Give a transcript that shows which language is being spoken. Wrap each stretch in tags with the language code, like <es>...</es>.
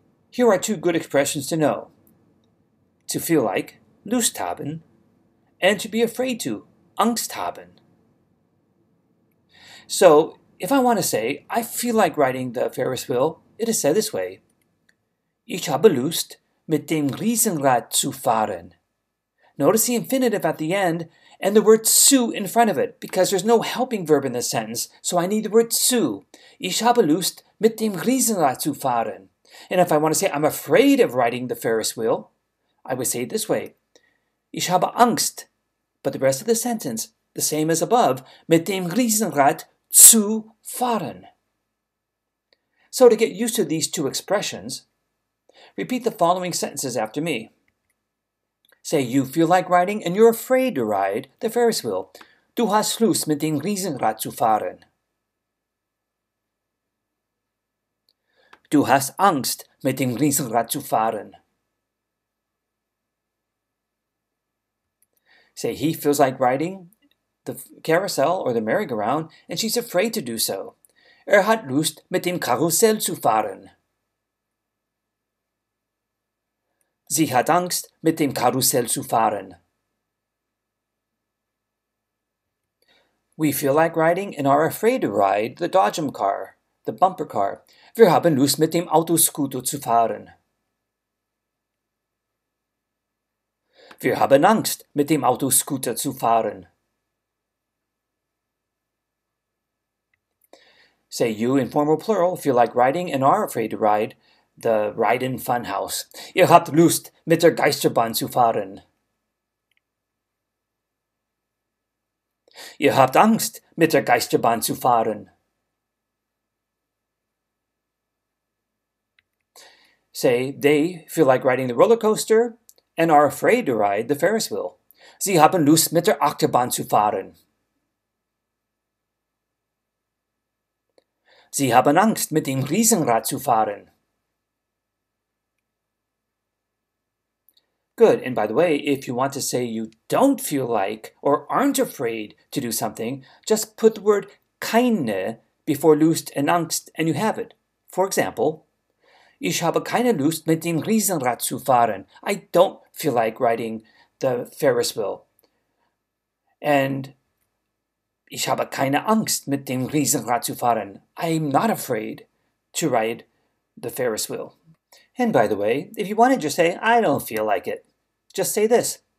<en>Here are two good expressions to know. To feel like,</en> <de>Lust haben,</de> <en>and to be afraid to,</en> <de>Angst haben.</de> <en>So, if I want to say, I feel like riding the Ferris wheel, it is said this way.</en> <de>Ich habe Lust, mit dem Riesenrad zu fahren.</de> <en>Notice the infinitive at the end and the word zu in front of it, because there's no helping verb in the sentence, so I need the word zu.</en> <de>Ich habe Lust, mit dem Riesenrad zu fahren.</de> <en>And if I want to say I'm afraid of riding the Ferris wheel, I would say it this way.</en> <de>Ich habe Angst,</de> <en>but the rest of the sentence, the same as above,</en> <de>mit dem Riesenrad zu fahren.</de> <en>So to get used to these two expressions, repeat the following sentences after me. Say, you feel like riding and you're afraid to ride the Ferris wheel.</en> <de>Du hast Lust, mit dem Riesenrad zu fahren. Du hast Angst, mit dem Riesenrad zu fahren.</de> <en>Say, he feels like riding the carousel or the merry-go-round and she's afraid to do so.</en> <de>Hat Lust, mit dem Karussell zu fahren. Sie hat Angst, mit dem Karussell zu fahren.</de> <en>We feel like riding and are afraid to ride the Dodgem car, the bumper car.</en> <de>Wir haben Lust mit dem Autoscooter zu fahren. Wir haben Angst mit dem Autoscooter zu fahren.</de> <en>Say you in formal plural feel like riding and are afraid to ride the ride-in funhouse.</en> <de>Ihr habt Lust mit der Geisterbahn zu fahren. Ihr habt Angst mit der Geisterbahn zu fahren.</de> <en>Say they feel like riding the roller coaster and are afraid to ride the Ferris wheel.</en> <de>Sie haben Lust mit der Achterbahn zu fahren. Sie haben Angst, mit dem Riesenrad zu fahren.</de> <en>Good, and by the way, if you want to say you don't feel like or aren't afraid to do something, just put the word keine before Lust and Angst and you have it. For example,</en> <de>ich habe keine Lust, mit dem Riesenrad zu fahren.</de> <en>I don't feel like riding the Ferris wheel.</en> <de>And ich habe keine Angst, mit dem Riesenrad zu fahren.</de> <en>I'm not afraid to ride the Ferris wheel. And by the way, if you want to just say, I don't feel like it, just say this.</en>